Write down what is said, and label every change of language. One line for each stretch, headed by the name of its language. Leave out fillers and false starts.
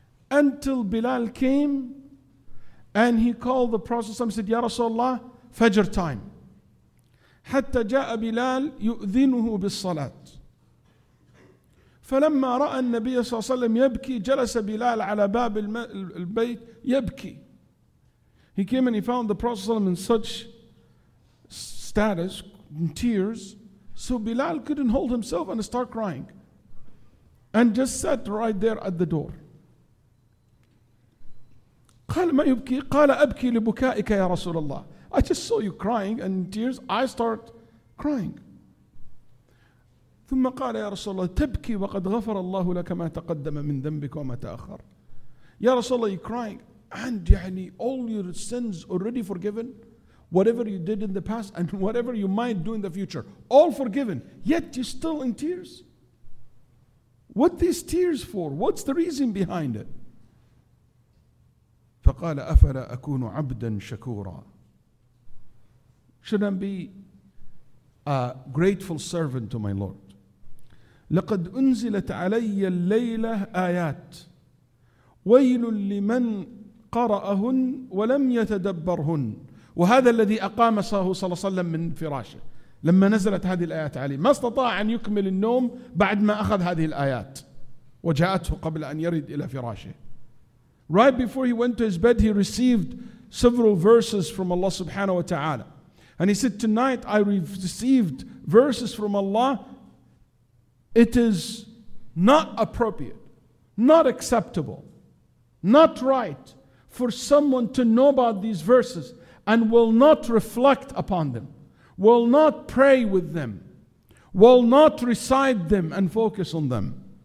English: Until Bilal came, and he called the Prophet, and said, Ya Rasulullah, Fajr time.
Arabic: حتى جاء بلال يؤذنه بالصلاة. فلما رأى النبي صلى الله عليه وسلم يبكي جلس بلال على باب البيت يبكي.
English: He came and he found the Prophet ﷺ in such status, in tears, so Bilal couldn't hold himself and start crying, and just sat right there at the door.
Arabic: قال ما يبكي؟ قال أبكي لبكائك يا رسول الله.
English: I just saw you crying and tears. I start crying.
Arabic: ثم قال يا رسول الله تبكي وقد غفر الله لك ما تقدم من ذنبك وما تأخر. يا رسول الله,
English: you're crying and يعني all your sins already forgiven, whatever you did in the past and whatever you might do in the future, all forgiven, yet you're still in tears. What these tears for? What's the reason behind it?
Arabic: فقال أفلا أكون عبدا شكورا.
English: Should I be a grateful servant to my Lord?
Arabic: لقد أنزلت علي الليلة آيات ويل لمن قرأهن ولم يتدبرهن. وهذا الذي أقام صلى الله عليه وسلم من فراشه لما نزلت هذه الآيات عليه, ما استطاع أن يكمل النوم بعد ما أخذ هذه الآيات وجاءته قبل أن يرد إلى فراشه.
English: Right before he went to his bed, he received several verses from Allah subhanahu wa ta'ala. And he said, tonight I received verses from Allah It is not appropriate, not acceptable, not right for someone to know about these verses and will not reflect upon them, will not pray with them, will not recite them and focus on them.